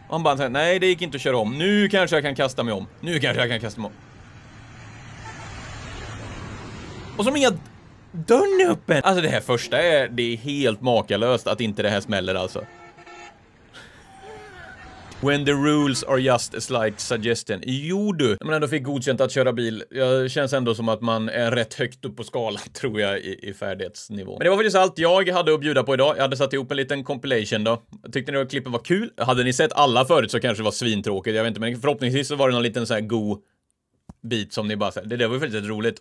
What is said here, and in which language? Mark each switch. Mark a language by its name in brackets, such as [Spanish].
[Swedish] Och han bara säger, nej det gick inte att köra om. Nu kanske jag kan kasta mig om. Nu kanske jag kan kasta mig om. Och som inga dörren är öppen. Alltså det här första är, det är helt makalöst att inte det här smäller alltså. [English] When the rules are just a slight suggestion. [Swedish] Jo du. När man ändå fick godkänt att köra bil. Jag känns ändå som att man är rätt högt upp på skalan tror jag i färdighetsnivå. Men det var faktiskt allt jag hade att bjuda på idag. Jag hade satt ihop en liten compilation då. Tyckte ni att klippen var kul? Hade ni sett alla förut så kanske det var svintråkigt. Jag vet inte, men förhoppningsvis så var det någon liten så här god bit som ni bara säger. Det var ju väldigt roligt.